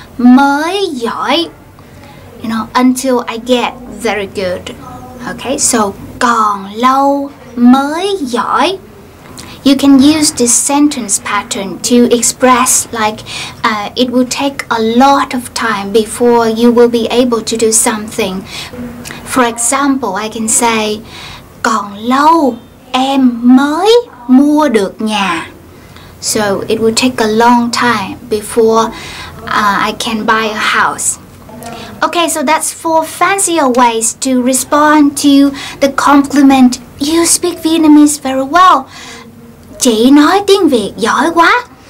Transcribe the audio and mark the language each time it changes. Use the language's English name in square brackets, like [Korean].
[Vietnamese] Mới giỏi, [English] you know, until I get very good. Okay, so [Vietnamese] còn lâu mới giỏi. [English] You can use this sentence pattern to express like it will take a lot of time before you will be able to do something. For example, I can say [Vietnamese] còn lâu em mới mua được nhà. [English] So it will take a long time before I can buy a house. Okay, so that's four fancier ways to respond to the compliment, you speak Vietnamese very well. [Vietnamese] Chị nói tiếng Việt giỏi quá.